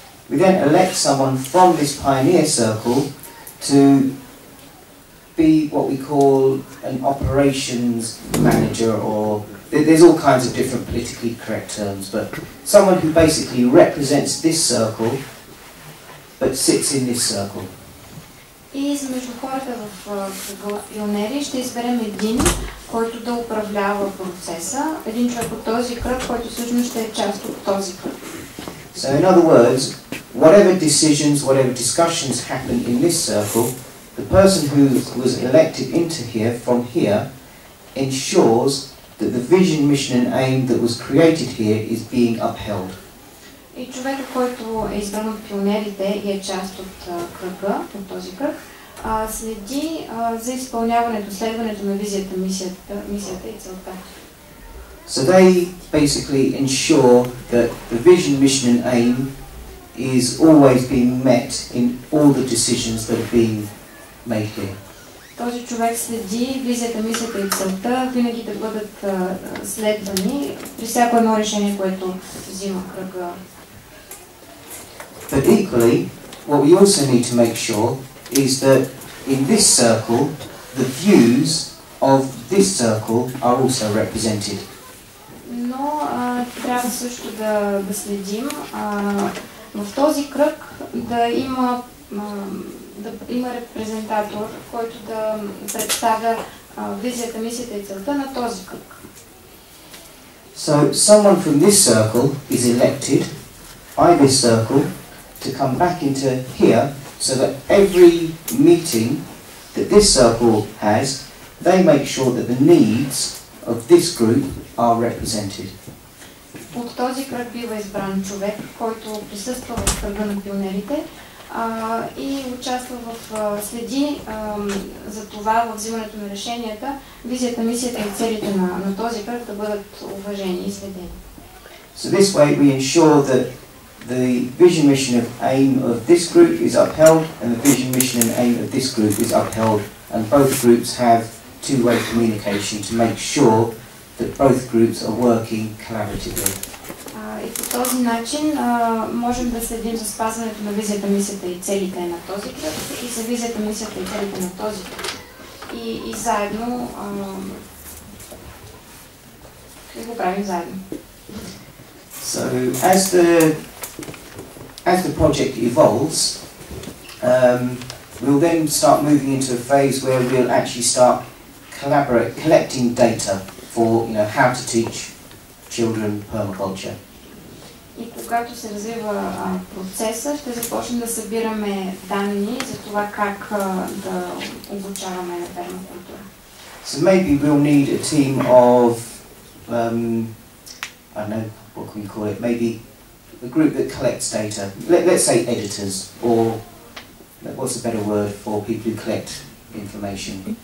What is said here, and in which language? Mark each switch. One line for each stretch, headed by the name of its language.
English: We then elect someone from this pioneer circle to be what we call an operations manager or There's all kinds of different politically correct terms, but someone who basically represents this circle, but sits in this circle.
Bulgarian: И между хората в кръга пионери ще изберем един, който да управлява процеса, един човек от този кръг, който всъщност ще е част от този кръг.
English: So in other words, whatever decisions, whatever discussions happen in this circle, the person who was elected into here from here ensures that the vision, mission and aim that was created here is being upheld.
Bulgarian: И човекът, който е избран от пионерите и е част от кръга, от този кръг, следи за изпълняването, следването на визията, мисията и целта.
English: So they basically ensure that the vision, mission and aim is always being met in all the decisions that are being made here.
Bulgarian: Този човек следи визията, мисията и целта винаги да бъдат следвани при всяко едно решение, което взима кръга.
English: But equally, what we also need to make sure is that in this circle, the views of this circle are also represented.
Bulgarian: Но трябва също да следим в този кръг да има репрезентатор, който да представя визията, мисията и целта на този кръг.
English: So someone from this circle is elected by this circle to come back into here so that every meeting that this circle has, they make sure that the needs of this group are represented.
Bulgarian: От този кръг бива избран човек, който присъства в кръга на пионерите и участва в следи за това във взимането на решенията, визията, мисията и целите на този кръг да бъдат уважени и следени.
English: So this way we ensure that the vision, mission and aim of this group is upheld and the vision, mission and aim of this group is upheld and both groups have two-way communication to make sure that both groups are working collaboratively.
Bulgarian: И по този начин можем да следим за спазването на визията, мисията и целите на този кръг и за визията, мисията и целите на този кръг. И заедно и го правим заедно.
English: So, as the project evolves, we'll then start moving into a phase where we'll actually start collecting data for, you know, how to teach children permaculture.
Bulgarian: И когато се развива процеса, ще започнем да събираме данни за това как да обучаваме пермакултура.
English: So maybe we'll need a team of, I don't know, what can we call it? Maybe a group that collects data. Let's say editors, or what's a better word for people who collect information?